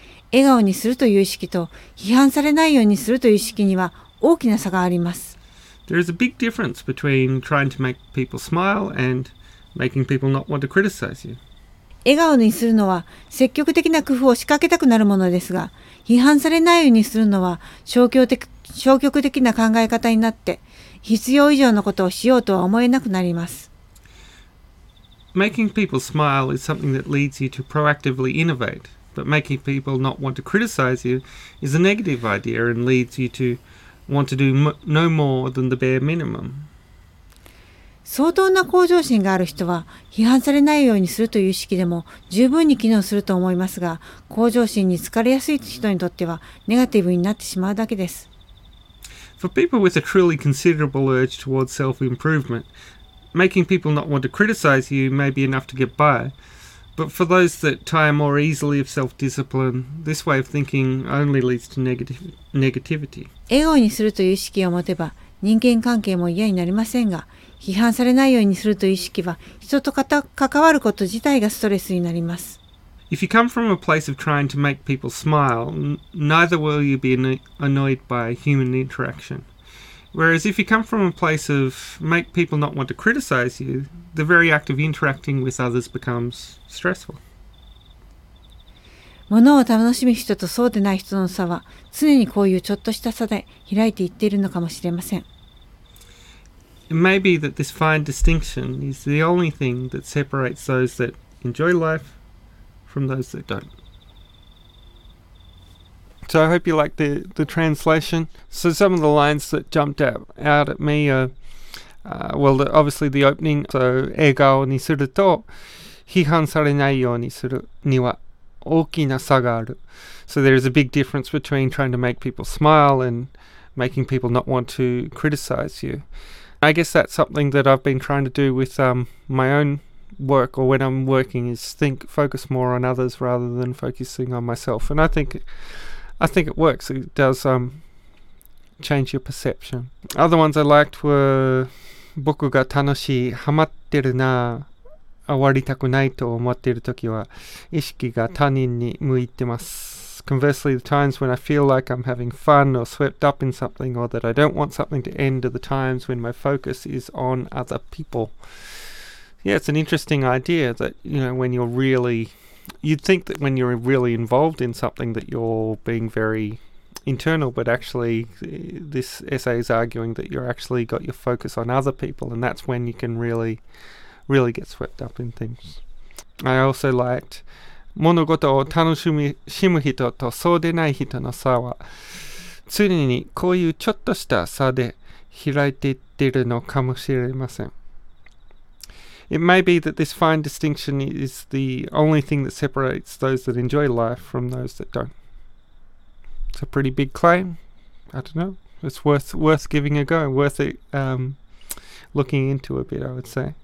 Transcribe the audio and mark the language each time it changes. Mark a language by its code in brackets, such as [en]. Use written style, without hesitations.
[ja] 笑顔にするという意識と、批判されないようにするという意識には大きな差があります。 [en] There is a big difference between trying to make people smile and making people not want to criticize you. [ja] 笑顔にするのは積極的な工夫を仕掛けたくなるものですが、批判されないようにするのは消極的な考え方になって、必要以上のことをしようとは思えなくなります。 [en] Making people smile is something that leads you to proactively innovate, but making people not want to criticize you is a negative idea and leads you to want to do no more than the bare minimum. [ja] 相当な向上心がある人は、批判されないようにするという意識でも十分に機能すると思いますが、向上心に疲れやすい人にとってはネガティブになってしまうだけです。 [en] For people with a truly considerable urge towards self-improvement, making people not want to criticize you may be enough to get by. But for those that tire more easily of self-discipline, this way of thinking only leads to negativity. [ja] 笑顔にするという意識を持てば、人間関係も嫌になりませんが、批判されないようにするという意識は、人と関わること自体がストレスになります。 [en] If you come from a place of trying to make people smile, neither will you be annoyed by human interaction. Whereas if you come from a place of make people not want to criticize you, the very act of interacting with others becomes stressful. [ja] ものを楽しむ人とそうでない人の差は、常にこういうちょっとした差で開いていっているのかもしれません。 [en] It may be that this fine distinction is the only thing that separates those that enjoy life from those that don't. So I hope you like the translation. So some of the lines that jumped out at me are, obviously the opening. [ja] So, 笑顔にすると批判されないようにするには大きな差がある。 [en] So there is a big difference between trying to make people smile and making people not want to criticize you. I guess that's something that I've been trying to do with my own work or when I'm working is focus more on others rather than focusing on myself. And I think it works. It does change your perception. [ja] Other ones I liked were 僕が楽しい、ハマってるな、終わりたくないと思っているときは意識が他人に向いてます。 [en] Conversely, the times when I feel like I'm having fun or swept up in something or that I don't want something to end are the times when my focus is on other people. Yeah, it's an interesting idea that, you know, when you're really, you'd think that when you're really involved in something that you're being very internal, but actually this essay is arguing that you're actually got your focus on other people and that's when you can really, really get swept up in things. I also liked... [ja] 物事を楽しむ人とそうでない人の差は常にこういうちょっとした差で開いていってるのかもしれません。 [en] It may be that this fine distinction is the only thing that separates those that enjoy life from those that don't. It's a pretty big claim. I don't know. It's worth giving a go, worth it, looking into a bit, I would say.